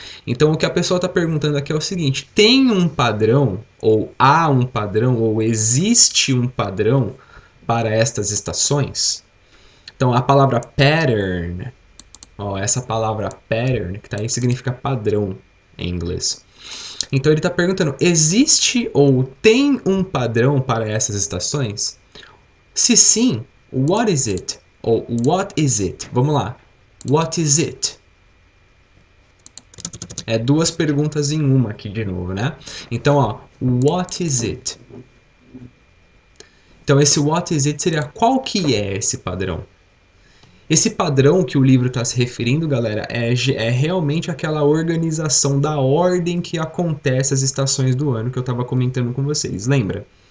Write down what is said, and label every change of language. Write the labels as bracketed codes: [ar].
[pt] Então, o que a pessoa está perguntando aqui é o seguinte: tem um padrão, ou há um padrão, ou existe um padrão para estas estações? Então, a palavra pattern. Ó, essa palavra pattern, que tá aí, significa padrão em inglês. Então ele está perguntando: existe ou tem um padrão para essas estações? Se sim, [en] what is it? [pt] Ou [en] what is it? [pt] Vamos lá. [en] What is it? [pt] É duas perguntas em uma aqui de novo, né? Então, ó, [en] what is it? [pt] Então, esse [en] what is it [pt] seria qual que é esse padrão? Esse padrão que o livro está se referindo, galera, é realmente aquela organização da ordem que acontece às estações do ano que eu estava comentando com vocês, lembra?